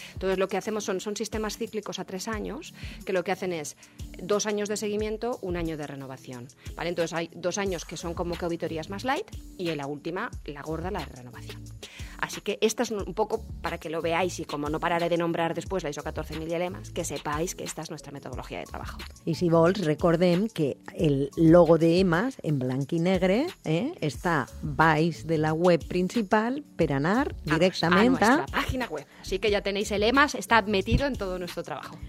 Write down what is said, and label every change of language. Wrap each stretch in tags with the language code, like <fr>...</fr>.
<es>Entonces, lo que hacemos son sistemas cíclicos a 3 años, que lo que hacen es 2 años de seguimiento, 1 año de renovación. ¿Vale? Entonces, hay 2 años que son como que auditorías más light y en la última, la gorda, la de renovación. Así que esta es un poco para que lo veáis y como no pararé de nombrar después la ISO 14000 y el EMAS, que sepáis que esta es nuestra metodología de trabajo.</es> <ca>Y si vols, recordem que el logo de EMAS en blanc i negre, està baix de la web principal per anar directament</ca> <es>a nuestra página web. Así que ya tenéis el EMAS, está metido en todo nuestro trabajo.</es>